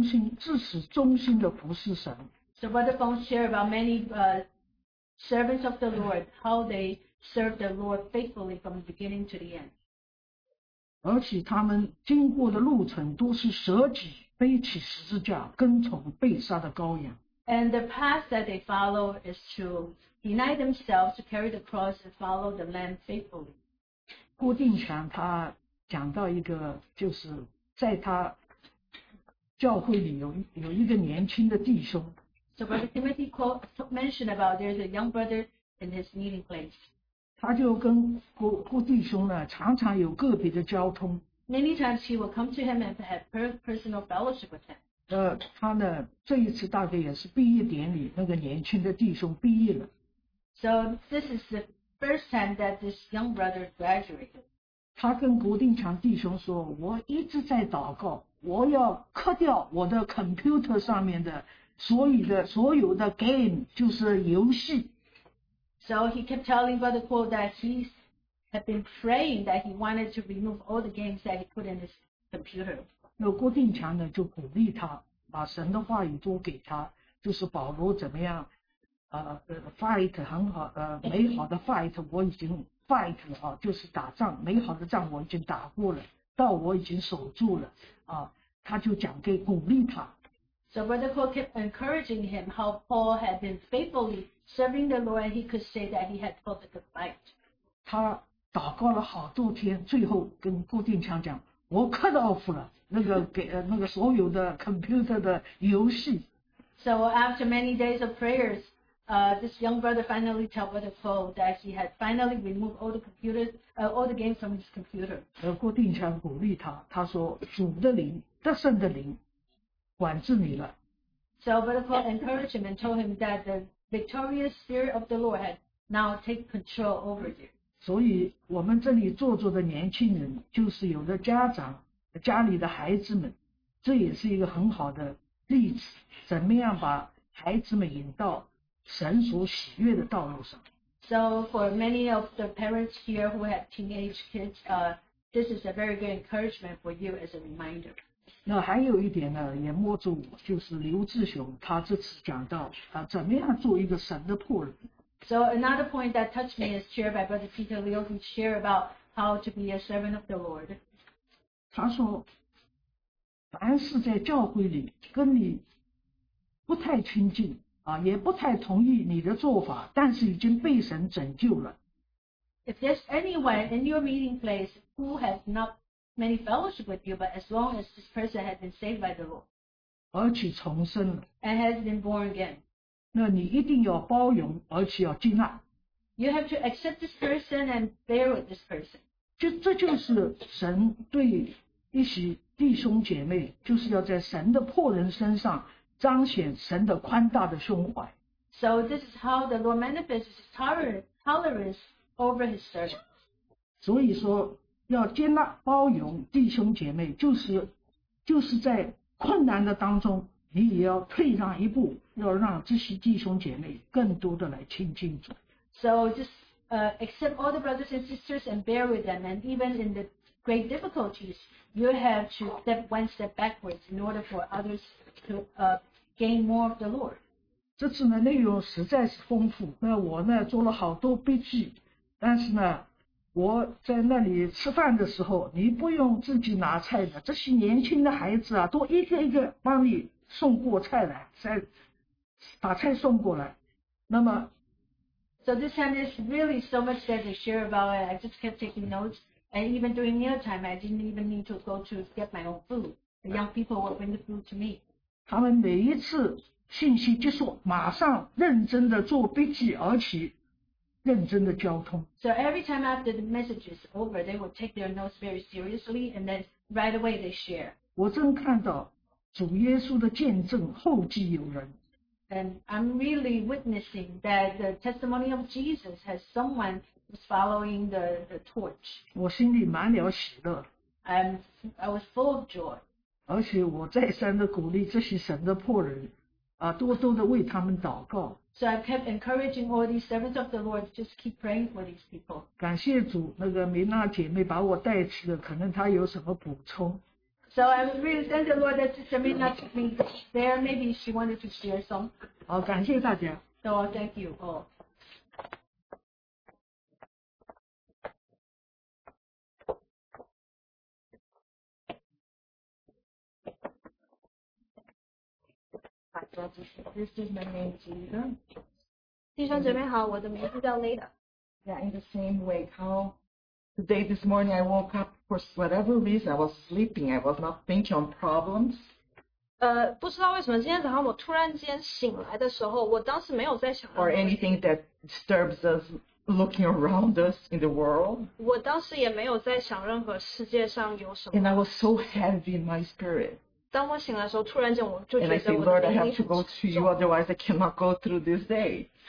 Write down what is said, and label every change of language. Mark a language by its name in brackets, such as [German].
[Chinese] 彭广成就讲到许许多多神的仆人如何的忠心至死忠心的服侍神。 [English] So Brother Fong shared about many servants of the Lord, how they serve the Lord faithfully from the beginning to the end. [Chinese] 而且他们经过的路程都是舍己背起十字架跟从被杀的羔羊。 [English] And the path that they follow is to deny themselves, to carry the cross, and follow the Lamb faithfully. [Chinese] 讲到一个就是在他教会里 有一个年轻的弟兄。 [English] So Brother Timothy mentioned about there's a young brother in his meeting place. [Chinese] 他就跟 顾弟兄呢常常有个别的交通。 [English] Many times he will come to him and have personal fellowship with him. [Chinese] 他呢这一次大概也是毕业典礼那个年轻的弟兄毕业了。 [English] So this is the first time that this young brother graduated. [Chinese] 他跟古定强弟兄说我一直在祷告我要刻掉我的 computer 上面的所有的 game 就是游戏。 [English] So he kept telling Brother Cole that he had been praying that he wanted to remove all the games that he put in his computer. [Chinese] 那郭定强呢就鼓励他把神的话语多给他就是保罗怎么样fight 很好美好的 fight 我已经 fight 了就是打仗美好的仗我已经打过了道我已经守住了他就讲给鼓励他。 [English] So Brother Cole kept encouraging him how Paul had been faithfully serving the Lord and he could say that he had fought a good fight. [Chinese] 他祷告了好多天最后跟郭定强讲我 [English] cut off [Chinese] 了那个给那个所有的 computer 的游戏。 [English] So after many days of prayers, this young brother finally told Brother Cole that he had finally removed all the computers, all the games from his computer. [Chinese] 郭定强鼓励他他说主的灵得胜的灵。管制你了。 [English] So Brother Paul encouraged him and told him that the victorious spirit of the Lord had now taken control over you. [Chinese] 所以我们这里坐坐的年轻人就是有的家长家里的孩子们这也是一个很好的例子怎么样把孩子们引到神所喜悦的道路上。 [English] So for many of the parents here who have teenage kids, this is a very good encouragement for you as a reminder. [Chinese] 那还有一点呢也摸着我就是刘志雄他这次讲到怎么样做一个神的仆人。 [English] So another point that touched me is shared by Brother Peter Liu who shared about how to be a servant of the Lord. [Chinese] 他说凡是在教会里跟你不太亲近也不太同意你的做法但是已经被神拯救了。 [English] If there's anyone in your meeting place who has not many fellowship with you, but as long as this person has been saved by the Lord, [Chinese] 而且重生了, [English] and has been born again, [Chinese] 那你一定要包容, 而且要接纳, [English] you have to accept this person and bear with this person. [Chinese] 这就是神对一些弟兄姐妹, 就是要在神的仆人身上彰显神的宽大的胸怀。 [English] So this is how the Lord manifests his tolerance over his servant. [Chinese] 所以说要接纳包容弟兄姐妹就是在困难的当中你也要退让一步要让这些弟兄姐妹更多的来亲近主。 [English] So just accept all the brothers and sisters and bear with them and even in the great difficulties you have to step one step backwards in order for others to gain more of the Lord. [Chinese] 这次呢内容实在是丰富那我呢做了好多笔记但是呢我在那里吃饭的时候你不用自己拿菜的这些年轻的孩子啊都一个一个帮你送过菜来再把菜送过来那么 [English] So this time is really so much that they share about it I just kept taking notes and even during meal time I didn't even need to go to get my own food the young people will bring the food to me [Chinese] 他们每一次信息结束马上认真的做笔记而且认真的交通。 [English] So every time after the message is over, they will take their notes very seriously, and then right away they share. [Chinese] 我正看到主耶稣的见证后继有人。 [English] And I'm really witnessing that the testimony of Jesus has someone who's following the torch. [Chinese] 我心里满了喜乐。 [English] I was full of joy. [Chinese] 而且我再三的鼓励这些神的仆人多多的为他们祷告。 [English] So I kept encouraging all these servants of the Lord to just keep praying for these people. [Chinese] 感谢主，那个梅娜姐妹把我带去了，可能她有什么补充。 [English] So I really thank the Lord that Sister Mina took me there. Maybe she wanted to share some. [Chinese] 好，感谢大家。 [English] So thank you all. This is my name, Jesus. Yeah, in the same way, how today this morning I woke up For whatever reason, I was sleeping. I was not thinking on problems. [Chinese] 不知道为什么今天早上我突然间醒来的时候，我当时没有在想。 [English] Or anything that disturbs us looking around us in the world. [Chinese] 我当时也没有在想任何世界上有什么。 [English] And I was so heavy in my spirit. [Chinese] 当我醒来的时候，突然间我就觉得我的灵力很重。 [English] And I said, Lord, I have to go to you, otherwise I cannot go through this day.